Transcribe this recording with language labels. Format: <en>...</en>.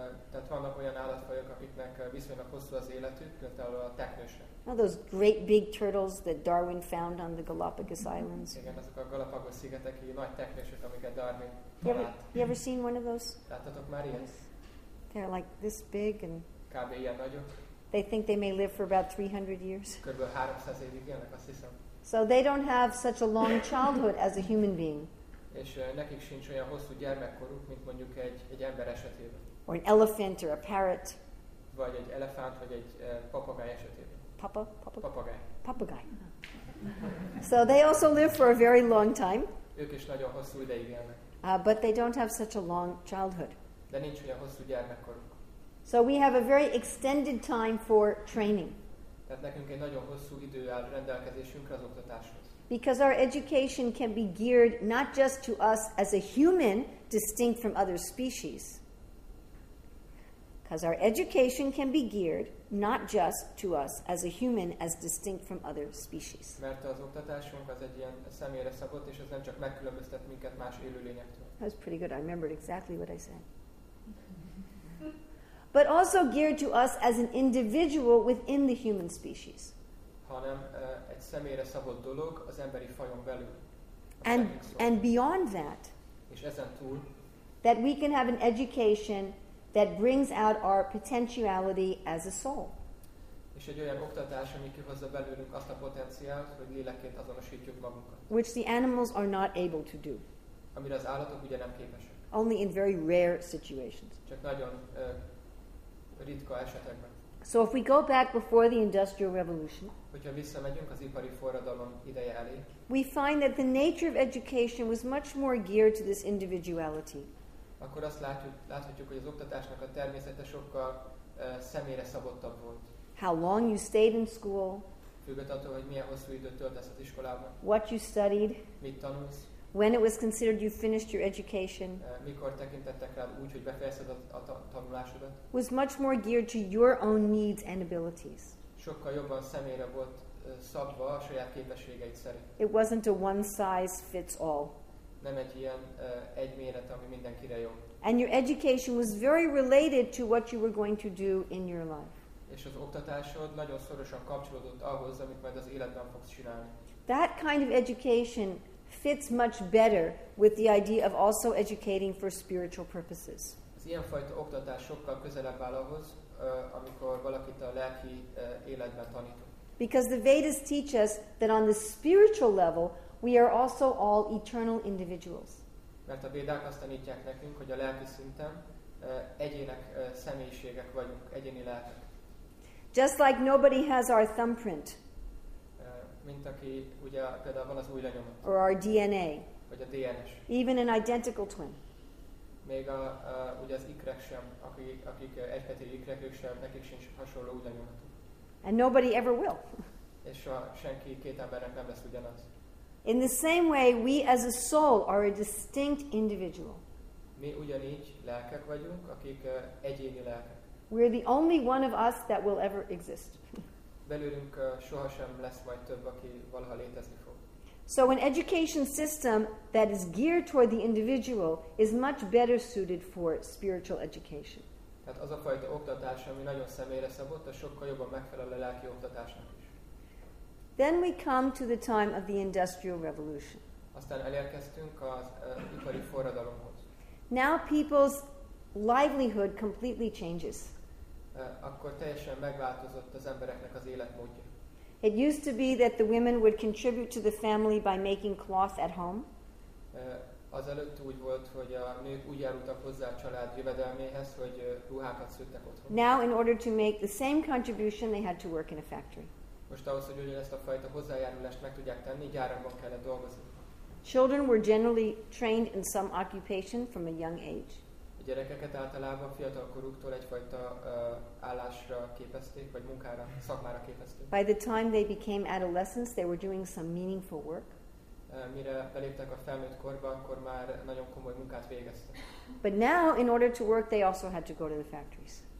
<hu>Tehát vannak olyan állatfajok, akiknek viszonylag hosszú az életük, például a teknősre.</hu> <en>Now those great big turtles that Darwin found on the Galapagos Islands.</en> <hu>Igen, azok a Galapagos szigeteki nagy teknősök, amiket Darwin talált.</hu> <en>You ever seen one of those?</en> <hu>Láttatok már ilyen?</hu> <en>They're like this big and</en> <hu>kb. Ilyen nagyok.</hu> <en>They think they may live for about 300 years.</en> <hu>Kb. 300 évig élnek, azt hiszem.</hu> <en>So they don't have such a long childhood as a human being.</en> <hu>És nekik sincs olyan hosszú gyermekkoruk, mint mondjuk egy ember esetében.</hu> <en>Or an elephant or a parrot.</en> <hu>Vagy egy elefánt, vagy egy papagáj esetében. Papagáj.</hu> <en>So they also live for a very long time.</en> <hu>Ők is nagyon hosszú ideig élnek.</hu> <en>But they don't have such a long childhood.</en> <hu>De nincs olyan hosszú gyermekkoruk.</hu> <en>So we have a very extended time for training.</en> <hu>Tehát nekünk egy nagyon hosszú idő áll rendelkezésünkre az oktatáshoz.</hu> <en>Because our education can be geared not just to us as a human distinct from other species. Because our education can be geared not just to us as a human as distinct from other species.</en> <hu>Mert az oktatásunk az egy ilyen személyre szabott, és ez nem csak megkülönböztet minket más élőlényektől.</hu> <en>That was pretty good. I remembered exactly what I said. But also geared to us as an individual within the human species.</en> <hu>Hanem egy személyre szabott dolog az emberi fajon belül.</hu> <en>And beyond that,</en> <hu>és ezen túl,</hu> <en>that we can have an education that brings out our potentiality as a soul.</en> <hu>És egy olyan oktatás, ami kihozza belőlünk azt a potenciált, hogy lélekként azonosítjuk magunkat.</hu> <en>Which the animals are not able to do.</en> <hu>Amire az állatok ugye nem képesek.</hu> <en>Only in very rare situations.</en> <hu>Csak nagyon ritka esetekben.</hu> <en>So if we go back before the Industrial Revolution,</en> <hu>hogyha visszamegyünk az ipari forradalom ideje elé,</hu> <en>we find that the nature of education was much more geared to this individuality.</en> <hu>Akkor azt láthatjuk, hogy az oktatásnak a természete sokkal személyre szabottabb volt.</hu> <en>How long you stayed in school,</en> <hu>függött attól, hogy milyen hosszú időt töltesz az iskolában,</hu> <en>what you studied,</en> <hu>mit tanulsz,</hu> <en>when it was considered you finished your education,</en> <hu>mikor tekintettek rád úgy, hogy befejezted a tanulásodat,</hu> <en>was much more geared to your own needs and abilities.</en> <hu>Sokkal jobban személyre volt szabva a saját képességeid szerint.</hu> <en>It wasn't a one size fits all.</en> <hu>Nem egy ilyen egy méret, ami mindenkire jó.</hu> <en>And your education was very related to what you were going to do in your life.</en> <hu>És az oktatásod nagyon szorosan kapcsolódott ahhoz, amit majd az életben fogsz csinálni.</hu> <en>That kind of education fits much better with the idea of also educating for spiritual purposes.</en> <hu>Az ilyenfajta oktatás sokkal közelebb áll ahhoz, amikor valakit a lelki életben tanítunk.</hu> <en>Because the Vedas teach us that on the spiritual level, we are also all eternal individuals.</en> <hu>Mert a Védák azt tanítják nekünk, hogy a lelki szinten egyének személyiségek vagyunk, egyéni lelkek.</hu> <en>Just like nobody has our thumbprint.</en> <hu>Mint aki ugye például van az új lenyomat.</hu> <en>Or our DNA.</en> <hu>Vagy a DNS.</hu> <en>Even an identical twin.</en> <hu>Még a ugye az ikrek sem, akik egyhetői ikrek, ők sem, nekik sincs hasonló új lenyomatuk.</hu> <en>And nobody ever will.</en> <hu>És soha senki két embernek nem lesz ugyanaz.</hu> <en>In the same way, we as a soul are a distinct individual.</en> <hu>Mi ugyanígy lelkek vagyunk, akik egyéni lelkek.</hu> <en>We're the only one of us that will ever exist.</en> <hu>Belülünk sohasem lesz majd több, aki valaha létezni fog.</hu> <en>So an education system that is geared toward the individual is much better suited for spiritual education.</en> <hu>Tehát az a fajta oktatás, ami nagyon személyre szabott, az sokkal jobban megfelel a lelki oktatásnak.</hu> <en>Then we come to the time of the Industrial Revolution.</en> <hu>Aztán elérkeztünk az ipari forradalomhoz.</hu> <en>Now people's livelihood completely changes.</en> <hu>Akkor teljesen megváltozott az embereknek az életmódja.</hu> <en>It used to be that the women would contribute to the family by making cloth at home.</en> <hu>Azelőtt úgy volt, hogy a nők úgy járultak hozzá a család jövedelméhez, hogy ruhákat szűrtek otthon.</hu> <en>Now in order to make the same contribution, they had to work in a factory.</en> <hu>Most ahhoz, hogy ugyanezt a fajta hozzájárulást meg tudják tenni, gyárakban kellett dolgozni.</hu> <en>Children were generally trained in some occupation from a young age.</en> <hu>A gyerekeket általában fiatal koruktól egyfajta állásra képezték, vagy munkára, szakmára képezték.</hu> <en>By the time they became adolescents, they were doing some meaningful work.</en> <hu>Mire beléptek a felnőtt korba, akkor már nagyon komoly munkát végeztek.</hu> <en>But now, in order to work, they also had to go to the factories.</en>